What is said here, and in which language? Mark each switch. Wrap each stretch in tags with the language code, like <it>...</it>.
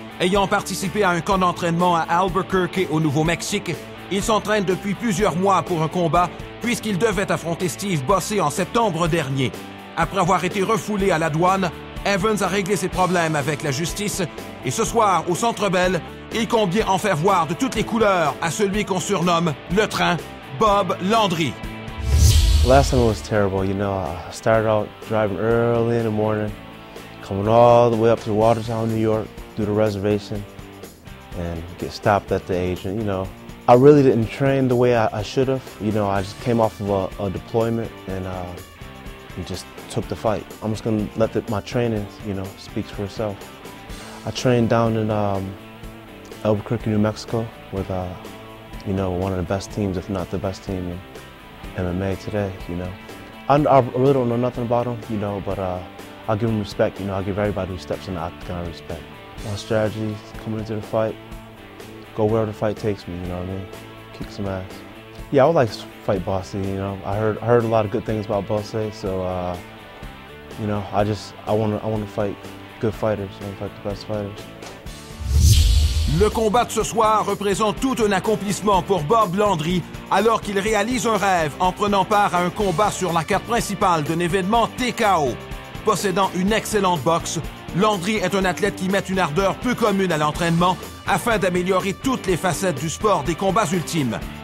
<fr>Ayant participé à un camp d'entraînement à Albuquerque au Nouveau-Mexique, il s'entraîne depuis plusieurs mois pour un combat puisqu'il devait affronter Steve Bossé en septembre dernier. Après avoir été refoulé à la douane, Evans a réglé ses problèmes avec la justice et ce soir, au Centre Bell, il convient en faire voir de toutes les couleurs à celui qu'on surnomme le train, Bob Landry.</fr> <en>Last night was terrible, you know. I started out driving early in the morning, coming all the way up to Watertown, New York, do the reservation, and get stopped at the agent, you know. I really didn't train the way I should have, you know. I just came off of a deployment and just took the fight. I'm just going to let my training, you know, speak for itself. I trained down in Albuquerque, New Mexico with, you know, one of the best teams, if not the best team in MMA today, you know. I really don't know nothing about them, you know, but I give them respect, you know. I give everybody who steps in the octagon respect. My strategy is coming into the fight, go wherever the fight takes me, you know what I mean? Kick some ass. Yeah, I would like to fight Bossy, you know. I heard a lot of good things about Bossy, so, you know, I want to fight good fighters, I want to fight the best fighters.</en> <fr>Le combat de ce soir représente tout un accomplissement pour Bob Landry, alors qu'il réalise un rêve en prenant part à un combat sur la carte principale d'un événement TKO. Possédant une excellente boxe, Landry est un athlète qui met une ardeur peu commune à l'entraînement afin d'améliorer toutes les facettes du sport des combats ultimes.</fr>